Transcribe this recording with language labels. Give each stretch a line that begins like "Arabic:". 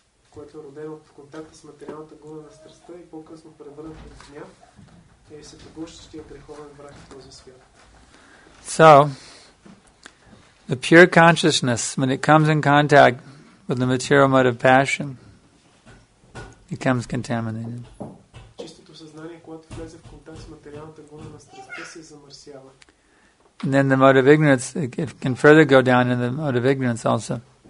Bulgarian: Което е родено от контакта с материалната гума на страстта и по-късно превърнат в гняв, е всепогущащия греховен враг в този свят.
English: So, the pure consciousness, when it comes in contact with the material mode of passion, becomes contaminated.
Bulgarian: Чистото съзнание, когато влезе в контакт с материалната гума на страстта, се замърсява.
English: And then the mode of ignorance, it can further go down in the mode of ignorance also.